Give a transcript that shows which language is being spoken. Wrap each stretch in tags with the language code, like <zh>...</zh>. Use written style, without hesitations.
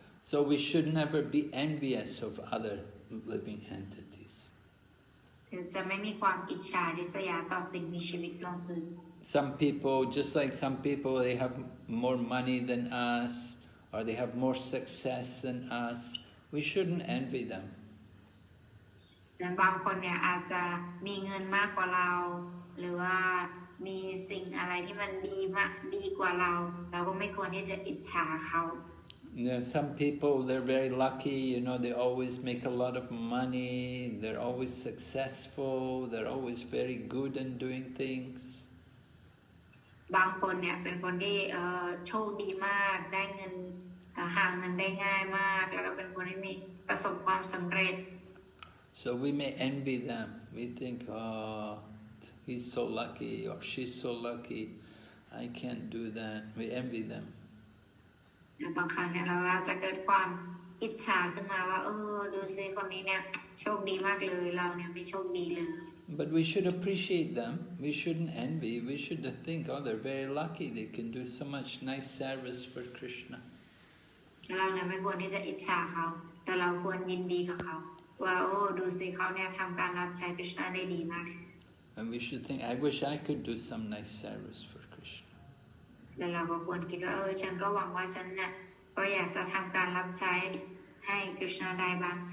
<en>So we should never be envious of other living entities.</en> <th>จะไม่มีความอิจฉาริษยาต่อสิ่งมีชีวิตรวมถึง</th> <en>Some people, just like some people, they have more money than us. Or they have more success than us. We shouldn't envy them. And some people may have more money than us, or have something that is good than us. We shouldn't envy them. Yeah, some people they're very lucky. You know, they always make a lot of money. They're always successful. They're always very good in doing things.</en> <th>บางคนเนี่ยเป็นคนที่โชคดีมากได้เงินหาเงินได้ง่ายมากแล้วก็เป็นคนที่มีประสบความสำเร็จ</th> <en>so we may envy them we think oh he's so lucky or she's so lucky I can't do that we envy them</en> <th>บางครั้งเนี่ยเราจะเกิดความอิจฉาขึ้นมาว่าเออดูสิคนนี้เนี่ยโชคดีมากเลยเราเนี่ยไม่โชคดีเลย</th> <en>But we should appreciate them. We shouldn't envy. We should think, oh, they're very lucky. They can do so much nice service for Krishna. And we should think, I wish I could do some nice service for Krishna.</en>